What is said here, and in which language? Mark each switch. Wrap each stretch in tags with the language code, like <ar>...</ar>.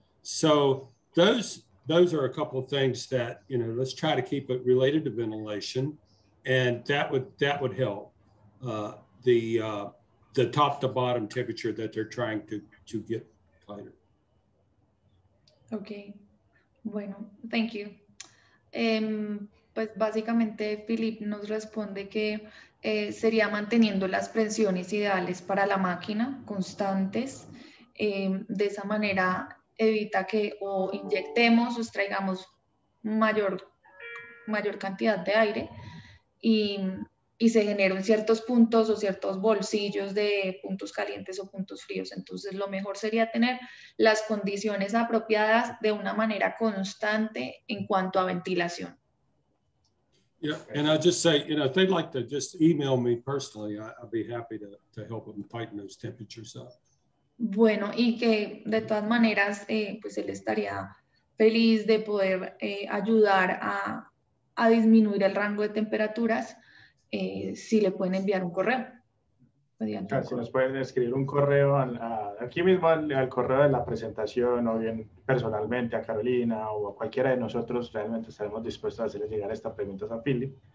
<en>So those are a couple of things that, you know, let's try to keep it related to ventilation, and that would help the top to bottom temperature that they're trying to get tighter. Okay.</en> <es>Bueno,</es> <en>thank you.</en> <es>Pues básicamente Philip nos responde que sería manteniendo las presiones ideales para la máquina constantes. De esa manera evita que o inyectemos o extraigamos mayor cantidad de aire y se generan ciertos puntos o ciertos bolsillos de puntos calientes o puntos fríos. Entonces lo mejor sería tener las condiciones apropiadas de una manera constante en cuanto a ventilación.</es> <en>Yeah, and I'll just say, you know, if they'd like to just email me personally, I'd be happy to help them tighten those temperatures up.</en> <es>Bueno, y que de todas maneras, pues él estaría feliz de poder ayudar a disminuir el rango de temperaturas, si le pueden enviar un correo. Si nos pueden escribir un correo aquí mismo al correo de la presentación, o bien personalmente a Carolina o a cualquiera de nosotros, realmente estaremos dispuestos a hacerles llegar estas preguntas a Philip.</es>